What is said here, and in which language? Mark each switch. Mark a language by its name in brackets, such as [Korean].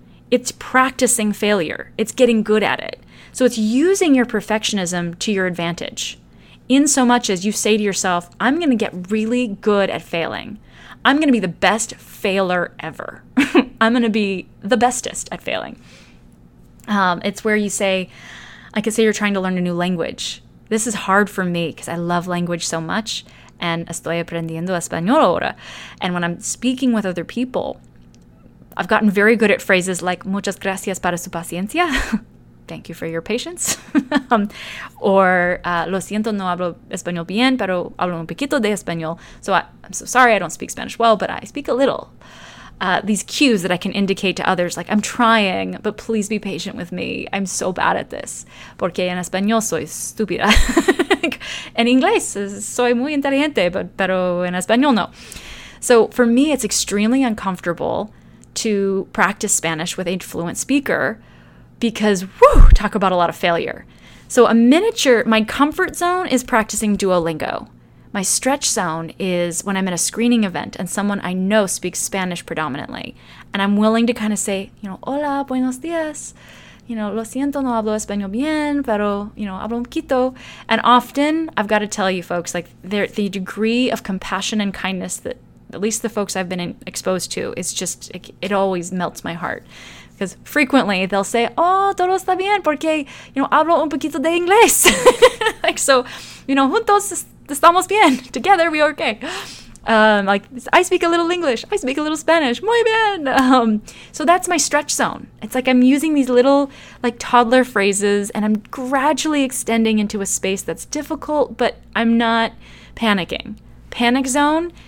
[English] It's practicing failure. It's getting good at it. So it's using your perfectionism to your advantage, in so much as you say to yourself, I'm going to get really good at failing. I'm going to be the best failer ever. I'm going to be the bestest at failing. It's where you say, I could say you're trying to learn a new language. This is hard for me because I love language so much. [Spanish] And estoy aprendiendo español ahora. [English] And when I'm speaking with other people, I've gotten very good at phrases like [Spanish] muchas gracias para su paciencia. [English] Thank you for your patience. [Spanish] lo siento, no hablo español bien, pero hablo un poquito de español. [English] So I'm so sorry, I don't speak Spanish well, but I speak a little. These cues that I can indicate to others, like I'm trying, but please be patient with me. I'm so bad at this. [Spanish] Porque en español soy estúpida. En inglés soy muy inteligente, pero en español no. [English] So for me, it's extremely uncomfortable to practice Spanish with a fluent speaker because, whew, talk about a lot of failure. So a miniature, my comfort zone is practicing Duolingo. My stretch zone is when I'm at a screening event and someone I know speaks Spanish predominantly. And I'm willing to kind of say, you know, [Spanish] hola, buenos dias. You know, lo siento, no hablo español bien, pero, you know, hablo un poquito. [English] And often, I've got to tell you folks, like the degree of compassion and kindness that at least the folks I've been exposed to, it's just, it always melts my heart. Because frequently they'll say, oh, [Spanish] todo está bien, porque, you know, hablo un poquito de inglés. [English] Like, so, you know, [Spanish] juntos estamos bien. [English] Together we are okay. Like, I speak a little English. I speak a little Spanish. [Spanish] Muy bien. [English] So that's my stretch zone. It's like I'm using these little, like, toddler phrases, and I'm gradually extending into a space that's difficult, but I'm not panicking. Panic zone.